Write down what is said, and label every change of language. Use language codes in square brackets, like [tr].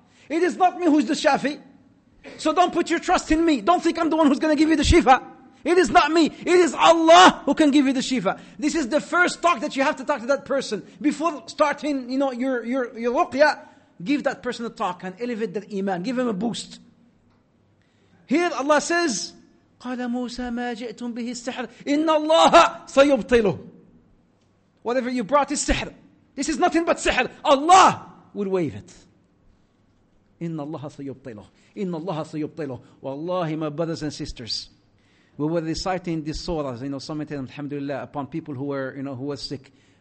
[en] It is not me who's the Shafi. So don't put your trust in me. Don't think I'm the one who's going to give you the Shifa. It is not me. It is Allah who can give you the Shifa. This is the first talk that you have to talk to that person. Before starting, you know, your ruqya, give that person a talk and elevate that iman. Give him a boost. Here Allah says, [ar] قَالَ مُوسَى مَا جِئْتُمْ بِهِ السِّحْرِ إِنَّ اللَّهَ سَيُبْطِلُهُ. [en] Whatever you brought is sihr. This is nothing but sihr. Allah will waive it. [ar] إِنَّ اللَّهَ سَيُبْطِلُهُ. إِنَّ اللَّهَ سَيُبْطِلُهُ. [en] Wallahi, my brothers and sisters, we were reciting these surahs, you know, summiting alhamdulillah upon people who were, you know, who were sick.